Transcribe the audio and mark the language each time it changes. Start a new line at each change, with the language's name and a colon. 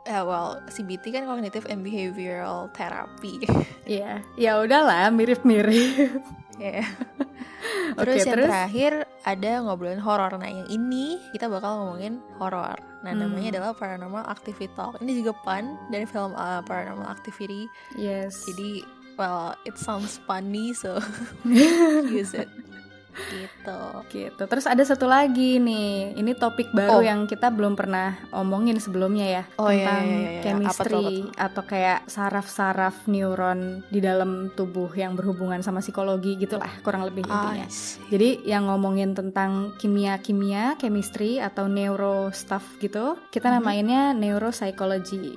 English: Well, CBT kan Cognitive and Behavioral Therapy.
Indonesian: Iya, ya udahlah, mirip-mirip. Terus terus terakhir ada ngobrolin horror. Nah yang ini kita bakal ngomongin horror. Nah namanya adalah Paranormal Activity Talk. Ini juga pun dari film Paranormal Activity.
English: Yes. Jadi well, it sounds funny, so use it.
Indonesian: Gitu. Gitu. Terus ada satu lagi nih. Ini topik baru yang kita belum pernah omongin sebelumnya ya. Chemistry atau kayak saraf-saraf neuron di dalam tubuh yang berhubungan sama psikologi gitulah, kurang lebih intinya. Jadi yang ngomongin tentang kimia-kimia, chemistry atau neuro stuff gitu, kita namainnya neuropsychology.